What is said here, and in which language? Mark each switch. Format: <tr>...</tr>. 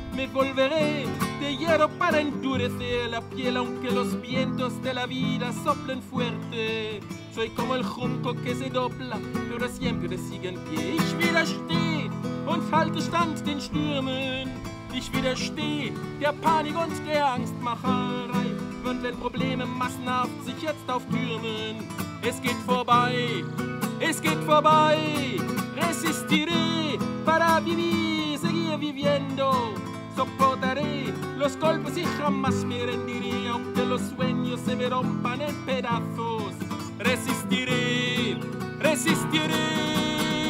<es>Me volveré de hierro para endurecer la piel, aunque los vientos de la vida soplen fuerte. Soy como el junco que se dobla, pero siempre sigue en pie.</es> <de>Ich widersteh und halte stand den Stürmen. Ich widersteh der Panik und der Angstmacherei. Und wenn Probleme massenhaft sich jetzt auftürmen, es geht vorbei, es geht vorbei.</de> <es>Resistiré para vivir, seguir viviendo. Soportaré los golpes y jamás me rendiré, aunque los sueños se me rompan en pedazos. Resistiré, resistiré.</es>